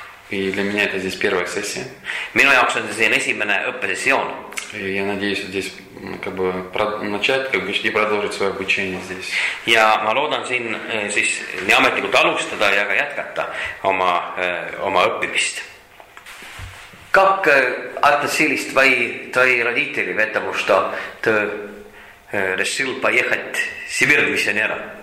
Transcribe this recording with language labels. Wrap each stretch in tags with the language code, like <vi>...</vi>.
<ru>И для меня это здесь первая сессия.</ru> <et>Minu jaoks on siin esimene õppesessioon.</et> <ru>Я надеюсь, здесь как бы начать, как бы и продолжить свое обучение здесь.</ru> <et>Ja ma loodan siin siis nii ametlikult alustada ja ka jätkata oma õppimist.</et> <ru>Как отнесились твои родители в этом, что ты решил поехать в Сибирь миссионером?</ru>